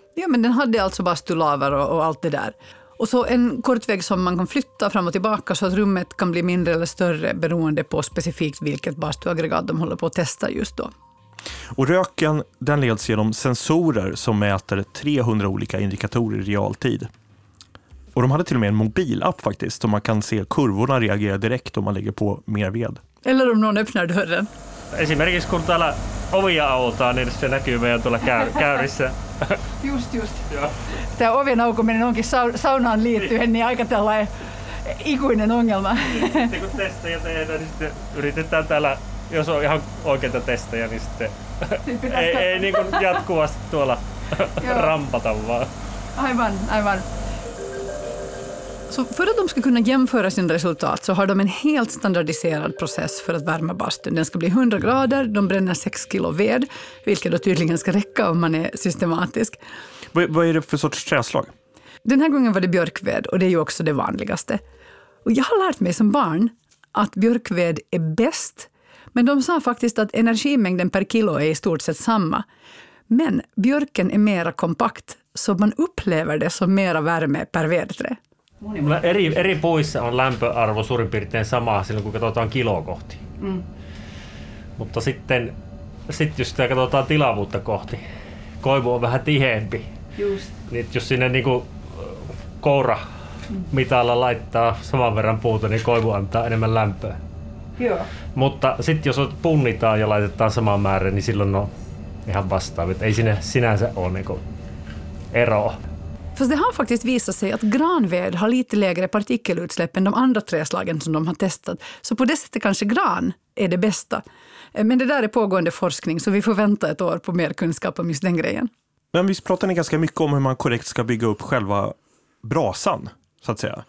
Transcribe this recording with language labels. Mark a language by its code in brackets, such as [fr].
[sv] Ja, men den hade alltså bastulavar och allt det där. Och så en kort väg som man kan flytta fram och tillbaka så att rummet kan bli mindre eller större beroende på specifikt vilket bastuaggregat de håller på att testa just då. Och röken, den leds genom sensorer som mäter 300 olika indikatorer i realtid. Och de hade till och med en mobilapp faktiskt, så man kan se kurvorna reagera direkt om man lägger på mer ved. Eller om någon öppnar dörren. Exempelvis [fi] kun täällä ovia avotaan, niin se näkyy meidän tuolla käyrissä. Just. Tämä oven aukominen onkin saunaan liittyen, niin aika tällainen ikuinen ongelma. Sitten kun testejä tehdään, niin sitten yritetään täällä, jos on ihan oikeita testejä, niin sitten ei niin kuin jatkuvasti tuolla rampata vaan. Aivan, aivan. [sv] Så för att de ska kunna jämföra sina resultat så har de en helt standardiserad process för att värma bastun. Den ska bli 100 grader, de bränner 6 kilo ved, vilket då tydligen ska räcka om man är systematisk. Vad är det för sorts träslag? Den här gången var det björkved och det är ju också det vanligaste. Och jag har lärt mig som barn att björkved är bäst, men de sa faktiskt att energimängden per kilo är i stort sett samma. Men björken är mer kompakt, så man upplever det som mera värme per vedträ. [fi] Eri puissa on lämpöarvo suurin piirtein sama silloin, kun katsotaan kiloa kohti. Mm. Mutta sit jos sitä katsotaan tilavuutta kohti, koivu on vähän tiheempi. Just. Niin jos sinne niinku koura mitalla laittaa saman verran puuta, niin koivu antaa enemmän lämpöä. Joo. Mutta sit jos punnitaan ja laitetaan saman määrän, niin silloin on ihan vastaavit. Ei sinne sinänsä ole niinku eroa. [sv] Fast det har faktiskt visat sig att granved har lite lägre partikelutsläpp än de andra träslagen som de har testat. Så på det sättet kanske gran är det bästa. Men det där är pågående forskning, så vi får vänta ett år på mer kunskap om just den grejen. Men visst pratar ni ganska mycket om hur man korrekt ska bygga upp själva brasan, så att säga.